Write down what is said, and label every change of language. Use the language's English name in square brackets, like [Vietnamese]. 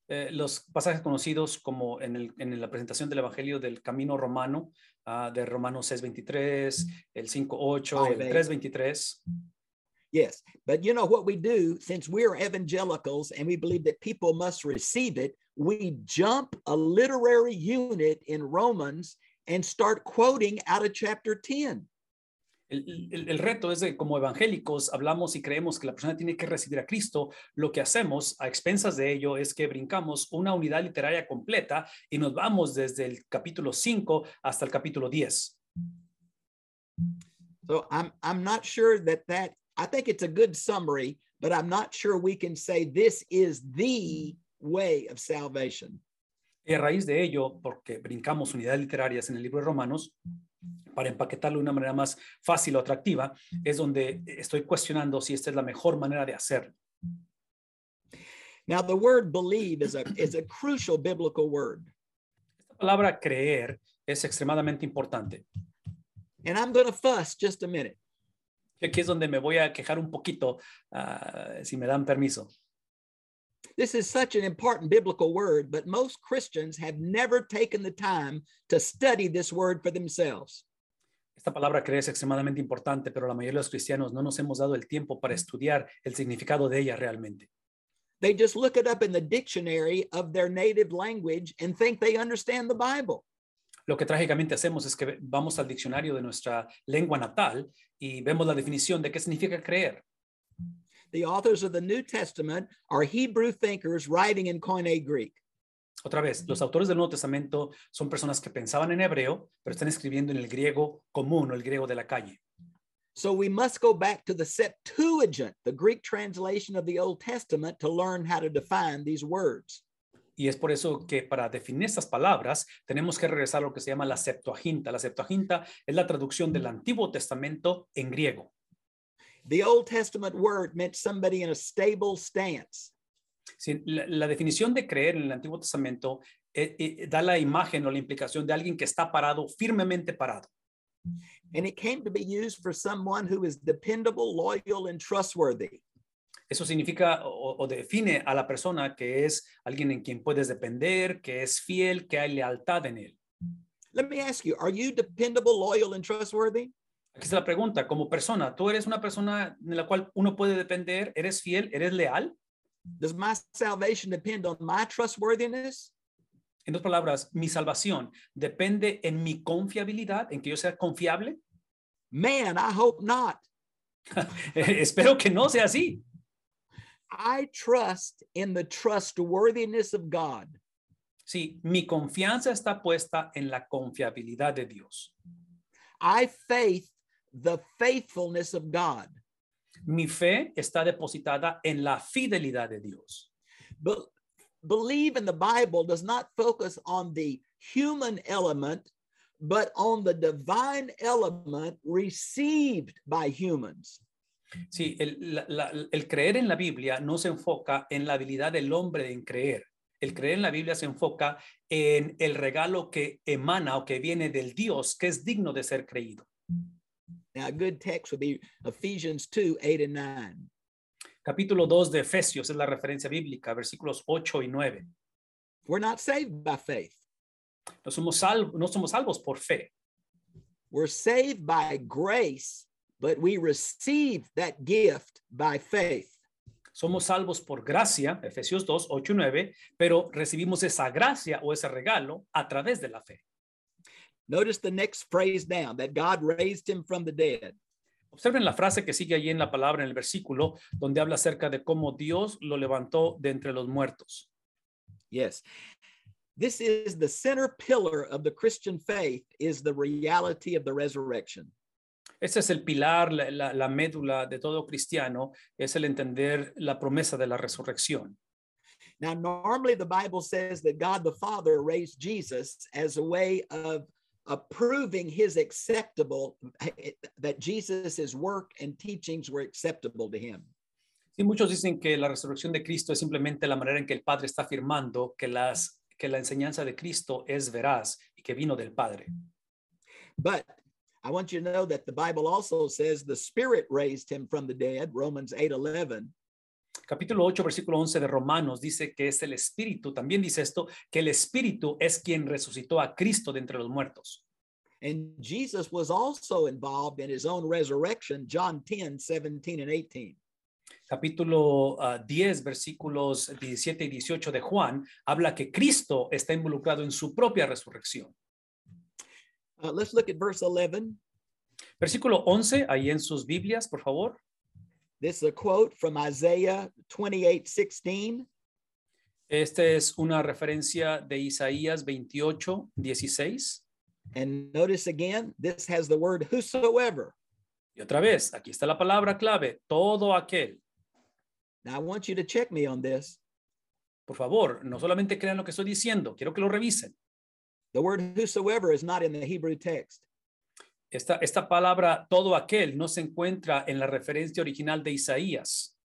[Spanish] Los pasajes conocidos como en la presentación del Evangelio del Camino Romano, de Romanos 6:23, el 5:8, el 3:23. [English] Yes, but you know what we do, since we are evangelicals and we believe that people must receive it, we jump a literary unit in Romans and start quoting out of chapter 10. [Spanish] El reto es de, como evangélicos, hablamos y creemos que la persona tiene que recibir a Cristo. Lo que hacemos a expensas de ello es que brincamos una unidad literaria completa y nos vamos desde el capítulo 5 hasta el capítulo 10. [English] So I'm not sure that I think it's a good summary, but I'm not sure we can say this is the way of salvation. [Spanish] Y a raíz de ello, porque brincamos unidades literarias en el libro de Romanos, para empaquetarlo de una manera más fácil o atractiva, es donde estoy cuestionando si esta es la mejor manera de hacerlo. [English] Now, the word believe is a crucial biblical word. [Spanish] La palabra creer es extremadamente importante. [English] And I'm going to fuss just a minute. [Spanish] Aquí es donde me voy a quejar un poquito, si me dan permiso. [English] This is such an important biblical word, but most Christians have never taken the time to study this word for themselves. [Spanish] Esta palabra creer es extremadamente importante, pero la mayoría de los cristianos no nos hemos dado el tiempo para estudiar el significado de ella realmente. [English] They just look it up in the dictionary of their native language and think they understand the Bible. [Spanish] Lo que trágicamente hacemos es que vamos al diccionario de nuestra lengua natal y vemos la definición de qué significa creer. [English] The authors of the New Testament are Hebrew thinkers writing in Koine Greek. [Spanish] Otra vez, los autores del Nuevo Testamento son personas que pensaban en hebreo, pero están escribiendo en el griego común o el griego de la calle. [English] So we must go back to the Septuagint, the Greek translation of the Old Testament, to learn how to define these words. [Spanish] Y es por eso que para definir estas palabras tenemos que regresar a lo que se llama la Septuaginta. La Septuaginta es la traducción del Antiguo Testamento en griego. [English] The Old Testament word meant somebody in a stable stance. [Spanish] Sí, la definición de creer en el Antiguo Testamento da la imagen o la implicación de alguien que está parado, firmemente parado. [English] And it came to be used for someone who is dependable, loyal, and trustworthy. [Spanish] Eso significa o define a la persona que es alguien en quien puedes depender, que es fiel, que hay lealtad en él. [English] Let me ask you, are you dependable, loyal, and trustworthy? [Spanish] Aquí está la pregunta, como persona, ¿tú eres una persona en la cual uno puede depender? ¿Eres fiel? ¿Eres leal? [English] Does my salvation depend on my trustworthiness? [Spanish] En otras palabras, ¿mi salvación depende en mi confiabilidad, en que yo sea confiable? [English] Man, I hope not. [Spanish] Espero que no sea así. [English] I trust in the trustworthiness of God. [Spanish] Sí, mi confianza está puesta en la confiabilidad de Dios. [English] I faith the faithfulness of God. [Spanish] Mi fe está depositada en la fidelidad de Dios. [English] Believe in the Bible does not focus on the human element, but on the divine element received by humans. [Spanish] Sí, el creer en la Biblia no se enfoca en la habilidad del hombre en creer, El creer en la Biblia se enfoca en el regalo que emana o que viene del Dios, que es digno de ser creído. [English] Now, a good text would be Ephesians 2, 8 and 9. [Spanish] Capítulo 2 de Efesios es la referencia bíblica, versículos 8 y 9. [English] We're not saved by faith. [Spanish] No somos salvos por fe. [English] We're saved by grace, but we receive that gift by faith. [Spanish] Somos salvos por gracia, Efesios 2, 8 y 9, pero recibimos esa gracia o ese regalo a través de la fe. [English] Notice the next phrase now, that God raised him from the dead. [Spanish] Observen la frase que sigue allí en la palabra, en el versículo, donde habla acerca de cómo Dios lo levantó de entre los muertos. [English] Yes. This is the center pillar of the Christian faith, is the reality of the resurrection. [Spanish] Este es el pilar, la médula de todo cristiano, es el entender la promesa de la resurrección. [English] Now, normally the Bible says that God the Father raised Jesus as a way of approving his acceptable, that Jesus's work and teachings were acceptable to him. [Spanish] Sí, muchos dicen que la resurrección de Cristo es simplemente la manera en que el Padre está afirmando que la enseñanza de Cristo es veraz y que vino del Padre. [English] But I want you to know that the Bible also says the Spirit raised him from the dead, Romans 8:11. [Spanish] Capítulo 8, versículo 11 de Romanos dice que es el Espíritu, también dice esto, que el Espíritu es quien resucitó a Cristo de entre los muertos. [English] And Jesus was also involved in his own resurrection, John 10, 17 and 18. [Spanish] Capítulo 10, versículos 17 y 18 de Juan, habla que Cristo está involucrado en su propia resurrección. [English] Let's look at verse 11. [Spanish] Versículo 11, ahí en sus Biblias, por favor. [English] This is a quote from Isaiah 28:16. [Spanish] Esta es una referencia de Isaías 28:16. [English] And notice again, this has the word whosoever. [Spanish] Y otra vez, aquí está la palabra clave, todo aquel. [English] Now I want you to check me on this. [Spanish] Por favor, no solamente crean lo que estoy diciendo, quiero que lo revisen. [English] The word whosoever is not in the Hebrew text. [Spanish] Esta palabra, todo aquel, no se encuentra en la referencia original de Isaías.